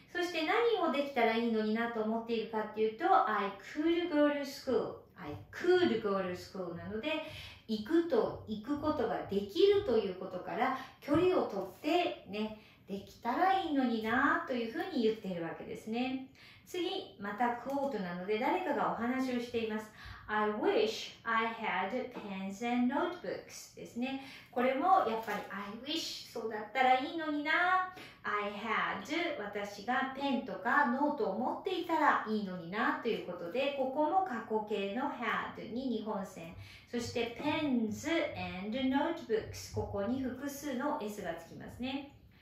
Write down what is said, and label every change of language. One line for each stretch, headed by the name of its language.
Japanese: そして何をできたらいいのになと思っているかっていうと
English: I could go to school、
Japanese: I could go to school なので、行くと行くことができるということから距離をとってね、できたらいいのになというふうに言っているわけですね。次、またクォートなので誰かがお話をしています。
English: I wish I had pens and notebooks ですね。
Japanese: これもやっぱり
English: I wish
Japanese: そうだったらいいのにな。
English: I had
Japanese: 私がペンとかノートを持っていたらいいのになということで、ここも過去形の had に日本線。そして
English: pens and notebooks、
Japanese: ここに複数の S がつきますね。